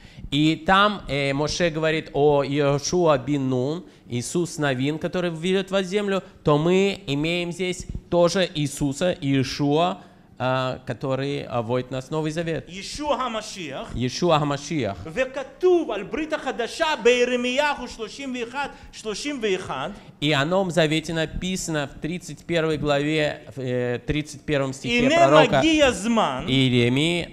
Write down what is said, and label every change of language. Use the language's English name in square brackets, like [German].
[Russian] И там Моше говорит о Йошуа бен Нун, Иисус Навин, который введет вас в землю, то мы имеем здесь тоже Иисуса, Йошуа, который вводит нас в Новый Завет. Йешуа ха-Машиах. [Hebrew] וכתוב על ברית החדשה בירמיהו 31. [Russian] И о Новом Завете написано в 31 главе, 31 стихе пророка Иеремии.